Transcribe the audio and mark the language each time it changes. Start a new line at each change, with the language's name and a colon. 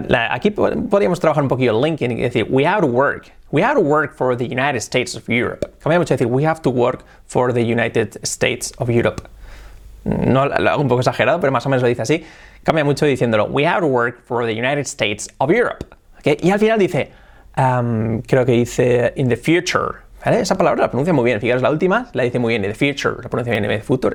Spanish: Aquí podríamos trabajar un poquito el link y decir,
English: we have to work. We have to work for the United States of Europe.
Spanish: Cambiamos a decir,
English: we have to work for the United States of Europe.
Spanish: No, lo hago un poco exagerado, pero más o menos lo dice así. Cambia mucho diciéndolo,
English: we have to work for the United States of Europe.
Spanish: ¿Okay? Y al final dice, creo que dice,
English: in the future.
Spanish: ¿Vale? Esa palabra la pronuncia muy bien. Fijaros, la última la dice muy bien,
English: in the future.
Spanish: La pronuncia bien, in the future.